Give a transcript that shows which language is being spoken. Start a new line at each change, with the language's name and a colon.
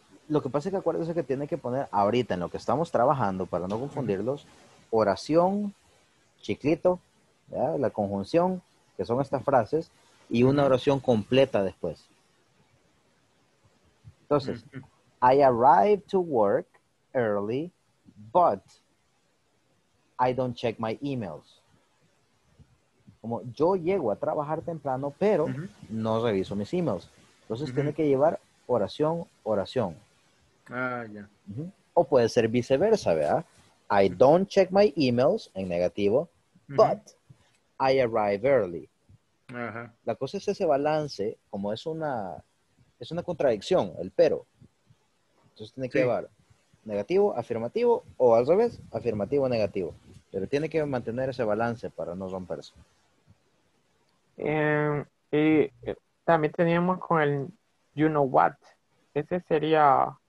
Spanish: Lo que pasa es que acuérdense que tiene que poner ahorita en lo que estamos trabajando, para no confundirlos, oración, chiclito, ¿ya? La conjunción, que son estas frases, y una oración completa después.
English: Entonces, I arrive to work early, but I don't check my emails.
Spanish: Como yo llego a trabajar temprano, pero no reviso mis emails. Entonces tiene que llevar oración, oración. Ah, ya. O puede ser viceversa, ¿verdad?
English: I don't check my emails,
Spanish: en negativo,
English: but I arrive early.
Spanish: La cosa es ese balance, como es una contradicción, el pero. Entonces tiene que llevar negativo, afirmativo, o al revés, afirmativo, negativo. Pero tiene que mantener ese balance para no romperse. Y también teníamos con el
English: you know what.
Spanish: Ese sería...